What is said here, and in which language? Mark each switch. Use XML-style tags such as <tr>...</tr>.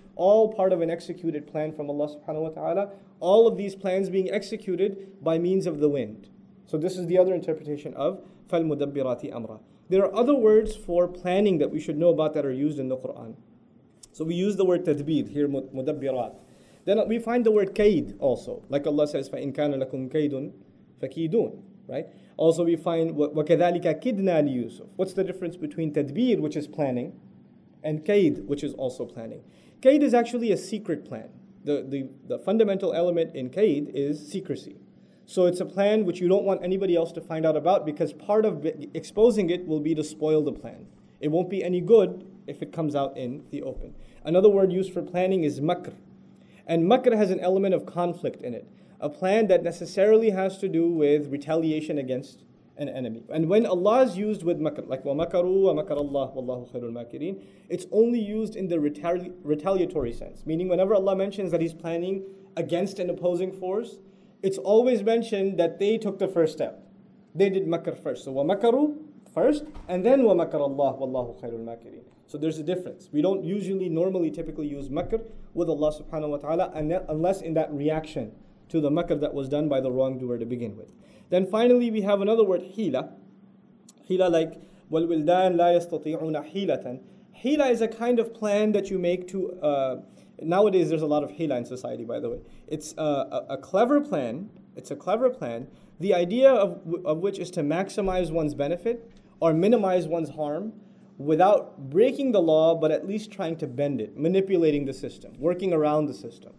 <en>All part of an executed plan from Allah subhanahu wa ta'ala. All of these plans being executed by means of the wind. So this is the other interpretation of</en> <ar>فَالْمُدَبِّرَاتِ أَمْرًا.</ar> <en>There are other words for planning that we should know about that are used in the Qur'an. So we use the word tadbir here, مُدَبِّرَات. Then we find the word kaid also. Like Allah says,</en> <ar>فَإِن كَانَ لَكُمْ كَيْدٌ فَكِيدُونَ.</ar> <en>Right? Also we find</en> <ar>وَكَذَلِكَ كِدْنَا لِيُوسُفَ.</ar> <en>What's the difference between tadbir, which is planning, and kaid, which is also planning? Kaid is actually a secret plan. The fundamental element in kaid is secrecy. So it's a plan which you don't want anybody else to find out about, because part of exposing it will be to spoil the plan. It won't be any good if it comes out in the open. Another word used for planning is makr. And makr has an element of conflict in it. A plan that necessarily has to do with retaliation against an enemy. And when Allah is used with makr, like</en> <ar>وَمَكَرُوا وَمَكَرَ اللَّهُ وَاللَّهُ خَيْرُ الْمَاكِرِينَ,</ar> <en>it's only used in the retaliatory sense. Meaning whenever Allah mentions that He's planning against an opposing force, it's always mentioned that they took the first step. They did makr first.</en> <ar>So وَمَكَرُوا</ar> <en>first, and then</en> <ar>وَمَكَرَ اللَّهُ وَاللَّهُ خَيْرُ الْمَاكِرِينَ.</ar> <en>So there's a difference. We don't usually, normally, typically use makr with Allah subhanahu wa ta'ala unless in that reaction to the makr that was done by the wrongdoer to begin with. Then finally, we have another word, hila.</en> <ar>Hila like وَالْوِلْدَانَ لَا يَسْتَطِيعُونَ حِيلَةً.</ar> <en>Hila is a kind of plan that you make to... Nowadays, there's a lot of hila in society, by the way. It's a clever plan. It's a clever plan. The idea of which is to maximize one's benefit or minimize one's harm without breaking the law, but at least trying to bend it, manipulating the system, working around the system.</en>